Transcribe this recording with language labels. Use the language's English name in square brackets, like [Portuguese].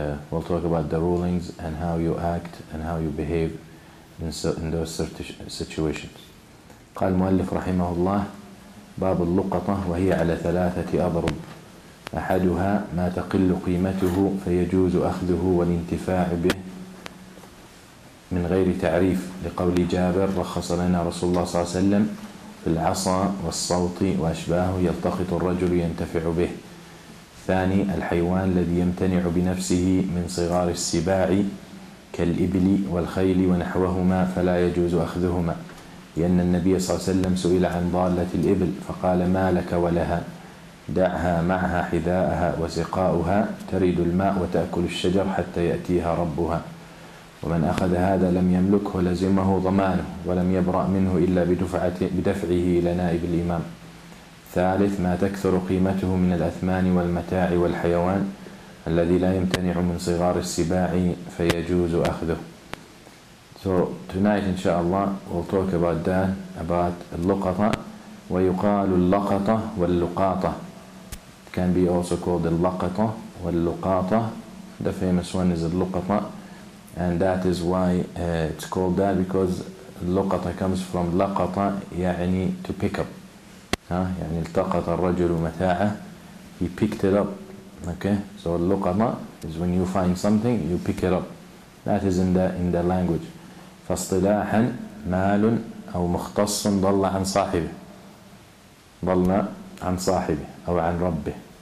[English] We'll talk about the rulings and how you act and how you behave in those situations. [Arabic] قال المؤلف رحمه الله باب اللقطة وهي على ثلاثة أضرب أحدها ما تقل قيمته فيجوز أخذه والانتفاع به من غير تعريف لقول جابر رخص لنا رسول الله صلى الله عليه وسلم في العصا والصوت وأشباهه يلتقط الرجل ينتفع به. ثاني الحيوان الذي يمتنع بنفسه من صغار السباع كالإبل والخيل ونحوهما فلا يجوز أخذهما لأن النبي صلى الله عليه وسلم سئل عن ضالة الإبل فقال ما لك ولها دعها معها حذاءها وسقاؤها تريد الماء وتأكل الشجر حتى يأتيها ربها ومن أخذ هذا لم يملكه لزمه ضمانه ولم يبرأ منه إلا بدفعه إلى نائب الإمام. ثالث ما تكثر قيمته من الأثمان والمتاع والحيوان الذي لا يمتنع من صغار السباع فيجوز أخذه. [English] So tonight inshallah we'll talk about that, about اللقطة [Arabic] ويقال اللقطة واللقاطة. [English] It can be also called اللقطة واللقاطة. The famous one is اللقطة and that is why it's called that because اللقطة comes from لقطة يعني to pick up. [Arabic] يعني التقط الرجل متاعه [English] he picked it up. Okay, so اللقطة is when you find something you pick it up, that is in the language. [Arabic] فاصطلاحا مال أو مختص ضل عن صاحبه ضل عن صاحبه أو عن ربه.